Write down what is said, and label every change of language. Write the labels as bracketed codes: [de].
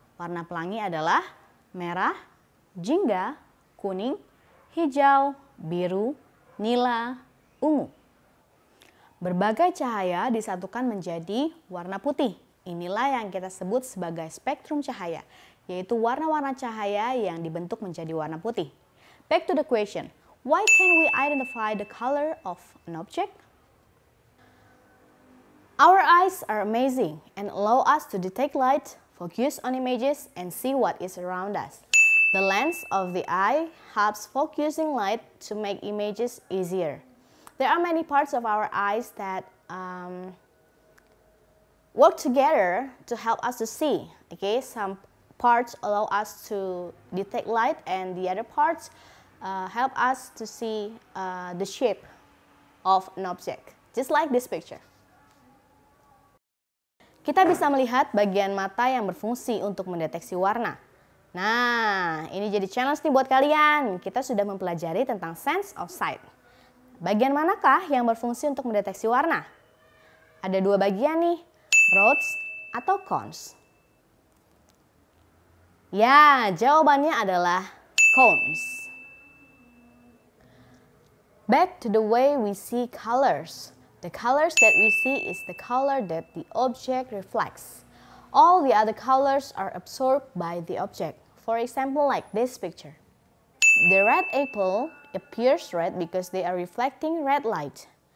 [id] Warna pelangi adalah merah, jingga, kuning, hijau, biru, nila, ungu. Berbagai cahaya disatukan menjadi warna putih. Inilah yang kita sebut sebagai spektrum cahaya, yaitu warna-warna cahaya yang dibentuk menjadi warna putih. [en] Back to the question, why can we identify the color of an object? Our eyes are amazing and allow us to detect light, focus on images, and see what is around us. The lens of the eye helps focusing light to make images easier. There are many parts of our eyes that work together to help us to see. Okay, some parts allow us to detect light, and the other parts help us to see the shape of an object, just like this picture. [id] Kita bisa melihat bagian mata yang berfungsi untuk mendeteksi warna. Nah, ini jadi challenge nih buat kalian. Kita sudah mempelajari tentang [en] sense of sight. [id] Bagian manakah yang berfungsi untuk mendeteksi warna? Ada dua bagian nih, rods atau cones. Ya, jawabannya adalah cones. [en] Back to the way we see colors. The colors that we see is the color that the object reflects. All the other colors are absorbed by the object. For example, like this picture. The red apple appears red because they are reflecting red light.